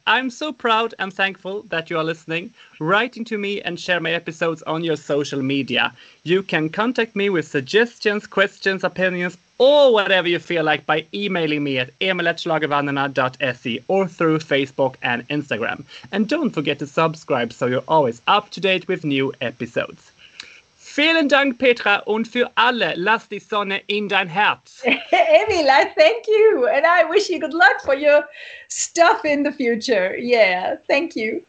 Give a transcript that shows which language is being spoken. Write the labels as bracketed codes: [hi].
[en] I'm so proud and thankful that you are listening, writing to me and share my episodes on your social media. You can contact me with suggestions, questions, opinions, or whatever you feel like by emailing me at emil@schlagervännerna.se or through Facebook and Instagram. And don't forget to subscribe so you're always up to date with new episodes. [de] Vielen Dank, Petra, und für alle, lass die Sonne in dein Herz. [en] Emil, I thank you, and I wish you good luck for your stuff in the future. Yeah, thank you.